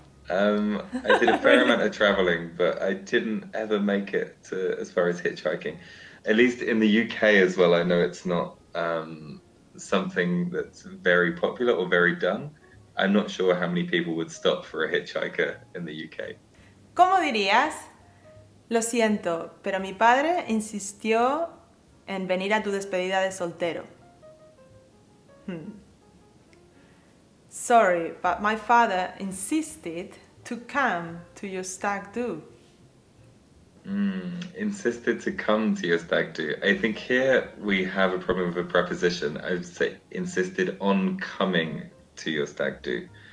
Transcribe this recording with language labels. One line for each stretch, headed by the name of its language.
English: I did a fair really? Amount of traveling, but I didn't ever make it to as far as hitchhiking. At least in the UK as well, I know it's not something that's very popular or very done. I'm not sure how many people would stop for a hitchhiker in the UK.
Spanish: ¿Cómo dirías? Lo siento, pero mi padre insistió en venir a tu despedida de soltero.
English: Sorry, but my father insisted to come to your stag do. Insisted to come to your stag do. I think here we have a problem with a preposition. I would say insisted on coming to your stag do.